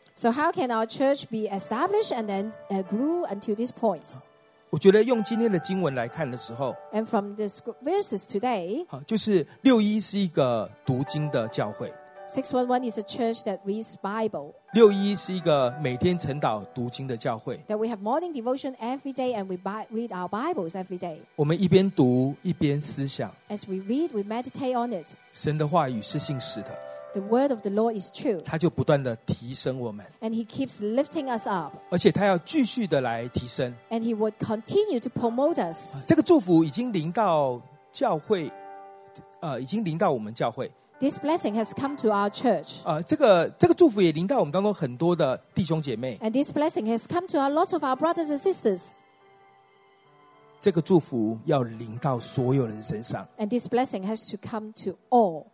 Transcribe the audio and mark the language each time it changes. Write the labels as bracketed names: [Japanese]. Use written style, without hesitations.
[English] ？So how can our church be established and then grew until this point？ [Chinese] 我觉得用今天的经文来看的时候 [English] ，and from the verses today， [Chinese] 就是611是一个读经的教会 [English] ，611 is a church that reads Bible。 [Chinese] 611是一个每天晨祷读经的教会。 [English] That we have morning devotion every day and we read our Bibles every day. [Chinese] 我们一边读一边思想。 [English] As we read, we meditate on it. [Chinese] 神的话语是信实的。 [English] The word of the Lord is true. [Chinese] 他就不断地提升我们。 [English] And he keeps lifting us up. [Chinese] 而且他要继续地来提升。 [English] And he would continue to promote us. [Chinese] 这个祝福已经临到教会，已经临到我们教会。 [English] This blessing has come to our church. [Chinese] 这个祝福也临到我们当中很多的弟兄姐妹。 [English] And this blessing has come to a lot of our brothers and sisters. [Chinese] 这个祝福要临到所有人身上。 [English] And this blessing has to come to all.